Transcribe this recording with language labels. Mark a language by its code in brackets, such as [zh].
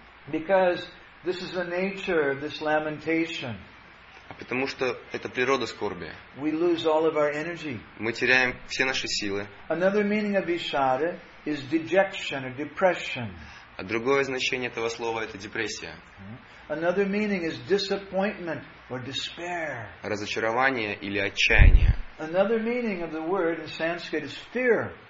[en] Because this is the nature of this lamentation. [ru] Потому что это природа скорби. [en] We lose all of our energy. [ru] Мы теряем все наши силы. [en] Another meaning of vishada is dejection or depression. [ru] А другое значение этого слова – это депрессия. [en] Another meaning is disappointment or despair. [ru] Разочарование или отчаяние. [en] Another meaning of the word in Sanskrit is fear.